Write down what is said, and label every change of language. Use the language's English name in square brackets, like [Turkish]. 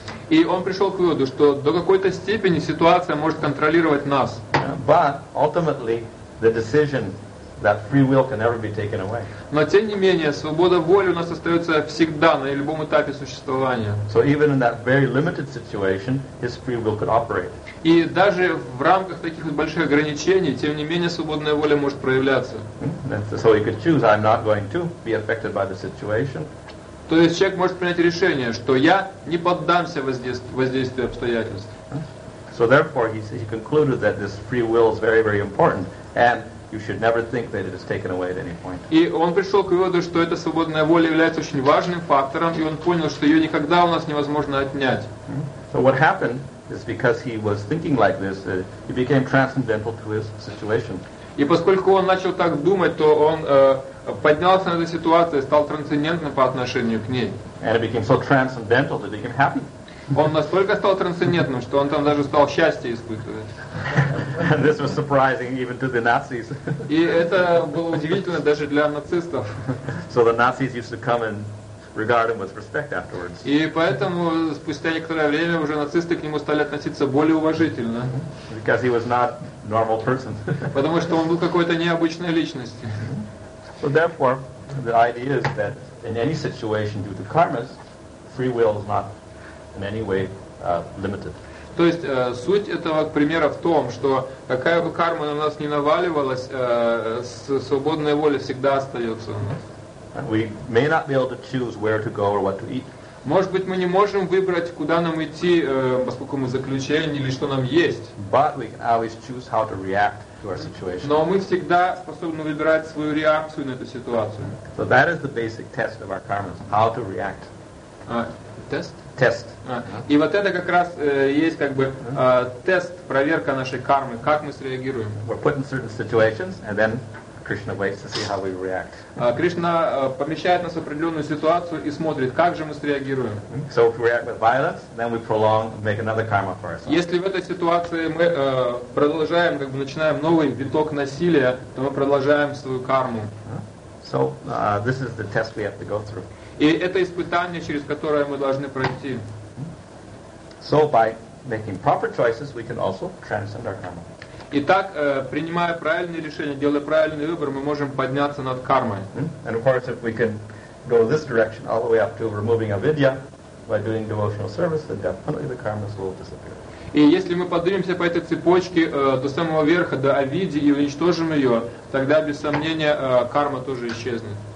[Russian] И он пришел к выводу, что до какой-то степени ситуация может контролировать нас. [English] But ultimately, the decision that free will can never be taken away. [Russian] Но тем не менее, свобода воли у нас остается всегда на любом этапе существования. [English] So even in that very limited situation, his free will could operate. [Russian] И даже в рамках таких больших ограничений, тем не менее, свободная воля может проявляться. [English] So he could choose, I'm not going to be affected by the situation. [Russian] То есть человек может принять решение, что я не поддамся воздействию обстоятельств. [English] So therefore he concluded that this free will is very, very important, and you should never think that it is taken away at any point. [Russian] И он пришел к выводу, что эта свободная воля является очень важным фактором, и он понял, что ее никогда у нас невозможно отнять. [English] So what happened is because he was thinking like this, he became transcendental to his situation. [Russian] И поскольку он начал так думать, то он поднялся на эту ситуацию и стал трансцендентным по отношению к ней. [English] And it became so transcendental that it became happy. [Russian] Он настолько стал трансцендентным, что он там даже стал счастье испытывать. [English] This was surprising even to the Nazis. [Russian] И это было удивительно даже для нацистов. [English] So the Nazis used to come and regard him with respect afterwards. [Russian] И поэтому спустя некоторое время уже нацисты к нему стали относиться более уважительно. [English] Because he was not normal person. [Russian] Потому что он был какой-то необычной личностью. [English] So therefore, the idea is that in any situation due to karmas, free will is not in any way limited. [Russian] То есть суть этого примера в том, что какая бы карма на нас ни наваливалась, свободная воля всегда остается у нас. [English] We may not be able to choose where to go or what to eat. [Russian] Может быть, мы не можем выбрать, куда нам идти, поскольку мы заключение или что нам есть. [English] But we can always choose how to react to our situation. [Russian] Но мы всегда способны выбирать свою реакцию на эту ситуацию. [English] So that is the basic test of our karmas, how to react. Test. Uh-huh. [Russian] И вот это как раз есть как бы тест, проверка нашей кармы, как мы среагируем. [English] We're put in certain situations and then Krishna waits to see how we react. [Russian] Кришна помещает нас в определенную ситуацию и смотрит, как же мы среагируем. [English] So if we react with violence, then we prolong, make another karma for ourselves. [Russian] Если в этой ситуации мы продолжаем, как бы начинаем новый виток насилия, то мы продолжаем свою карму. [English] So this is the test we have to go through. [Russian] И это испытание, через которое мы должны пройти. [English] So by making proper choices, we can also transcend our karma. [Russian] Итак, принимая правильные решения, делая правильный выбор, мы можем подняться над кармой. [English] And of course, if we can go this direction all the way up to removing avidya by doing devotional service, then definitely the karmas will disappear. [Russian] И если мы поднимемся по этой цепочке до самого верха, до авидьи, и уничтожим ее, тогда, без сомнения, карма тоже исчезнет.